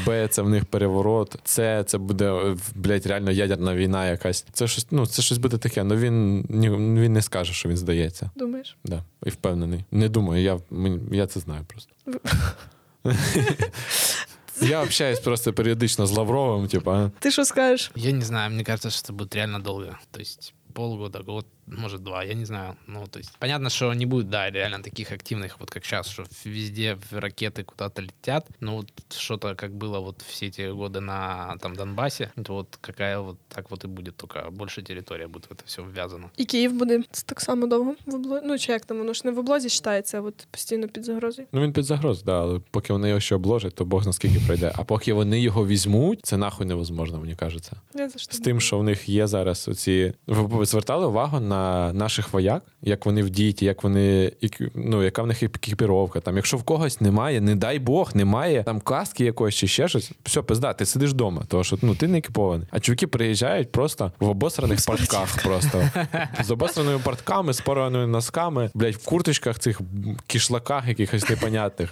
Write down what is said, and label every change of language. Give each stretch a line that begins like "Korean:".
Ukrainian: Б, це в них переворот. Це буде, блядь, реально ядерна війна якась. Це щось, ну, це щось буде таке. Ну, він не скаже, що він здається. Думаєш? Так. Да. І впевнений. Не думаю, я це знаю просто. Я
Russian: общаюсь
Ukrainian: просто періодично з Лавровым, типа.
Russian: Ты что скажешь? Я не знаю, мне кажется, что это будет реально долго. То есть полгода, год, может, два, я не знаю. Ну, то есть, понятно, что не будет, да, реально таких активных, вот как сейчас, что везде ракеты куда-то летят. Ну, вот что-то, как было вот все эти годы на, там, Донбассе, то вот какая вот так вот и будет, только больше территория будет в это все ввязано. И Киев будет так само долго в облозе. Ну, человек там, оно же не в облозе считается, а вот постоянно под загрозой. Ну, он под загрозой, да, но пока они его еще обложат, то бог на сколько пройдет. А пока они его возьмут, это нахуй невозможно, мне кажется. Я за что? С тем, что у них есть сейчас эти...
Ukrainian: Ви звертали увагу на наших вояк, як вони в діті, як вони, ну, яка в них екіпіровка. Там, якщо в когось немає, не дай Бог, немає там каски якоїсь чи ще щось, все, пизда, ти сидиш вдома, тому що, ну, ти не екіпований. А чуваки приїжджають просто в обосраних портках просто. З обосраними портками, з порваними носками, блядь, в курточках цих кішлаках якихось непонятних.